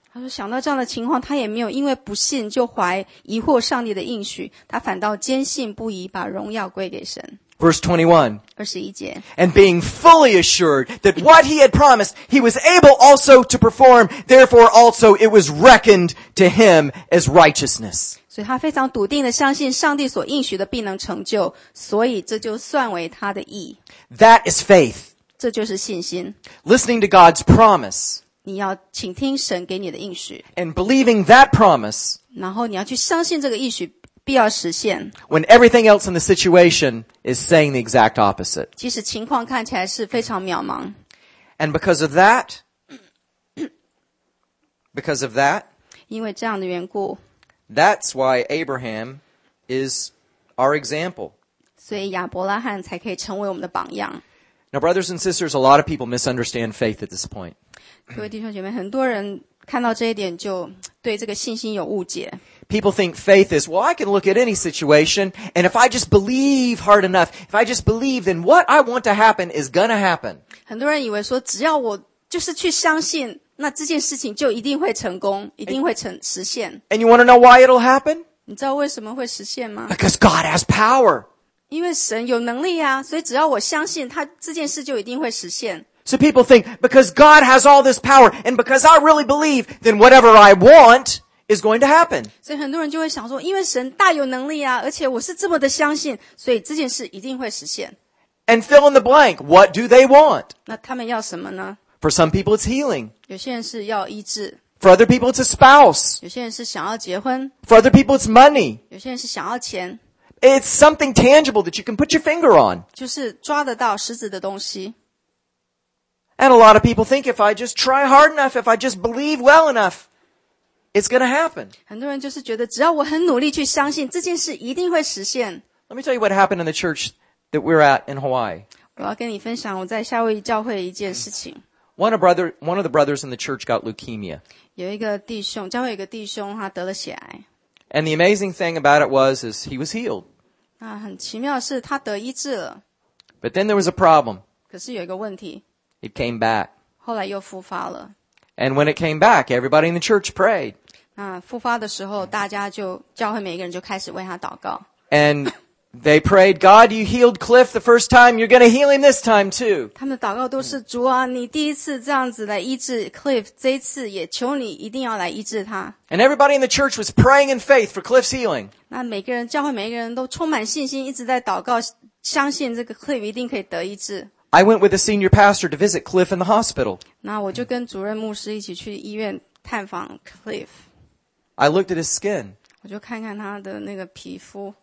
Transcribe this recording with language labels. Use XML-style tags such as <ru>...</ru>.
<zh>他说想到这样的情况，他也没有因为不信就怀疑惑上帝的应许，他反倒坚信不疑，把荣耀归给神。</zh> <en>Verse 21. And being fully assured that what he had promised, he was able also to perform, therefore also it was reckoned to him as righteousness.</en> <zh>所以他非常笃定地相信上帝所应许的必能成就，所以这就算为他的义。</zh> <en>That is faith.</en> <zh>这就是信心。</zh> <en>Listening to God's promise.</en> <zh>你要请听神给你的应许</zh> <en>，and believing that promise，</en> <zh>然后你要去相信这个应许必要实现。</zh> <en>When everything else in the situation is saying the exact opposite，</en> <zh>即使情况看起来是非常渺茫。</zh> <en>And because of that， because of that，</en> <zh>因为这样的缘故</zh> <en>，That's why Abraham is our example。</en> <zh>所以亚伯拉罕才可以成为我们的榜样。</zh> <en>Now, brothers and sisters, a lot of people misunderstand faith at this point.</en> <zh>各位弟兄姐妹，很多人看到这一点就对这个信心有误解。</zh> <en>People think faith is, well, I can look at any situation, and if I just believe hard enough, if I just believe, then what I want to happen is gonna happen.</en> <zh>很多人以为说，只要我就是去相信，那这件事情就一定会成功，一定会实现。</zh> <en>And you want to know why it'll happen?</en> <zh>你知道为什么会实现吗？</zh> <en>Because God has power.</en> <zh>因为神有能力啊，所以只要我相信他，这件事就一定会实现。</zh> <en>So people think, because God has all this power, and because I really believe, then whatever I want is going to happen.</en> <zh>所以很多人就会想说，因为神大有能力啊，而且我是这么的相信，所以这件事一定会实现。</zh> <en>And fill in the blank, what do they want?</en> <zh>那他们要什么呢？</zh> <en>For some people it's healing.</en> <zh>有些人是要医治。</zh> <en>For other people it's a spouse.</en> <zh>有些人是想要结婚。</zh> <en>For other people it's money.</en> <zh>有些人是想要钱。</zh> <en>It's something tangible that you can put your finger on.</en> <zh>就是抓得到实质的东西。</zh> <en>And a lot of people think if I just try hard enough, if I just believe well enough, it's going to happen.</en> <zh>很多人就是觉得只要我很努力去相信，这件事一定会实现。</zh> <en>Let me tell you what happened in the church that we're at in Hawaii.</en> <zh>我要跟你分享我在夏威夷教会一件事情。</zh> <en>One of the brothers in the church got leukemia.</en> <zh>有一个弟兄，教会有一个弟兄，他得了血癌。</zh> <en>And the amazing thing about it was, is he was healed.</en> <zh>那很奇妙的是他得医治了。</zh> <en>But then there was a problem.</en> <zh>可是有一个问题。</zh> <en>It came back.</en> <zh>后来又复发了。</zh> <en>And when it came back, everybody in the church prayed.</en> <zh>那复发的时候，大家就教会每一个人就开始为他祷告。</zh> <en>And they prayed, God, you healed Cliff the first time, you're going to heal him this time too.</en> <zh>他们的祷告都是主啊，你第一次这样子来医治 Cliff， 这一次也求你一定要来医治他。</zh> <en>And everybody in the church was praying in faith for Cliff's healing.</en> <zh>那每个人教会每一个人都充满信心，一直在祷告，相信这个 Cliff 一定可以得医治。</zh> <en>I went with a senior pastor to visit Cliff in the hospital.</en> <zh>那我就跟主任牧师一起去医院探访 Cliff.</zh> <en>I looked at his skin.</en> <zh>我就看看他的那个皮肤。</zh>